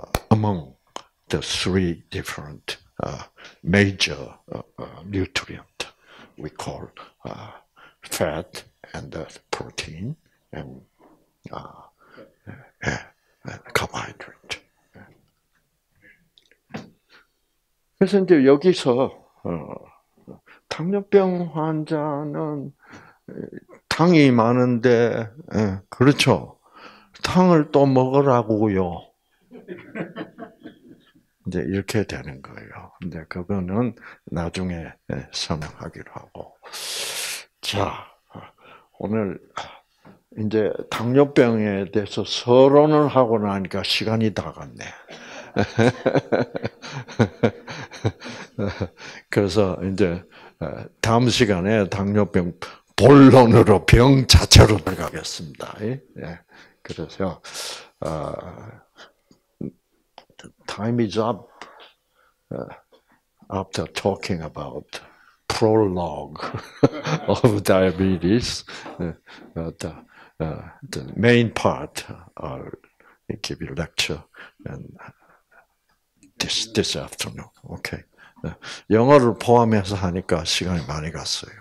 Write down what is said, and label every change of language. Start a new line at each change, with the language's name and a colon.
English: among the three different major nutrient we call fat and protein and carbohydrate.
Korean: 그래서 이제 여기서 당뇨병 환자는 당이 많은데 그렇죠. 탕을 또 먹으라고요. 이제 이렇게 되는 거예요. 근데 그거는 나중에 설명하기로 하고. 자, 오늘 이제 당뇨병에 대해서 서론을 하고 나니까 시간이 다 갔네. 그래서 이제 다음 시간에 당뇨병 본론으로 병 자체로 들어가겠습니다. 예. 그래서
English: time is up after talking about prologue of diabetes. But the main part I'll give you a lecture and this afternoon. Okay.
Korean: 영어를 포함해서 하니까 시간이 많이 갔어요.